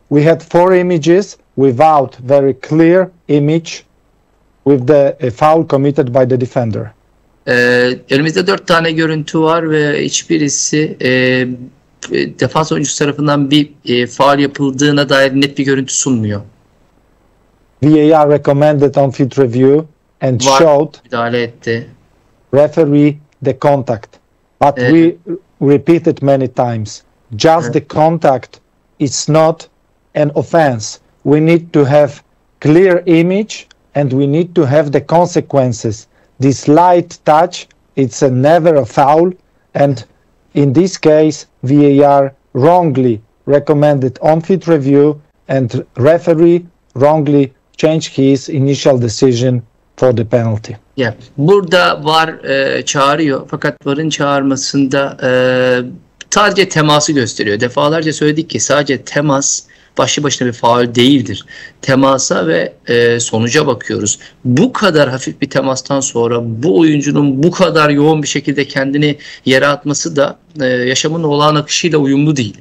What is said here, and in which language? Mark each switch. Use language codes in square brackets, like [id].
[en] We had four images without very clear image with the foul committed by the defender. [tr] Önümüzde dört tane görüntü var ve hiçbirisi defans oyuncusu tarafından bir faul yapıldığına dair net bir görüntü sunmuyor. [en] VAR recommended on field review and VAR showed [tr] müdahale etti. [en] Referee the contact. But we repeated many times. Just the contact is not an offense. We need to have clear image and we need to have the consequences. This light touch, it's a never a foul. And in this case, VAR wrongly recommended on-field review and referee wrongly changed his initial decision for the penalty. Yeah. [tr] Burada VAR çağırıyor fakat VAR'ın çağırmasında sadece teması gösteriyor. Defalarca söyledik ki sadece temas başlı başına bir faul değildir. Temasa ve sonuca bakıyoruz. Bu kadar hafif bir temastan sonra bu oyuncunun bu kadar yoğun bir şekilde kendini yere atması da yaşamın olağan akışıyla uyumlu değil.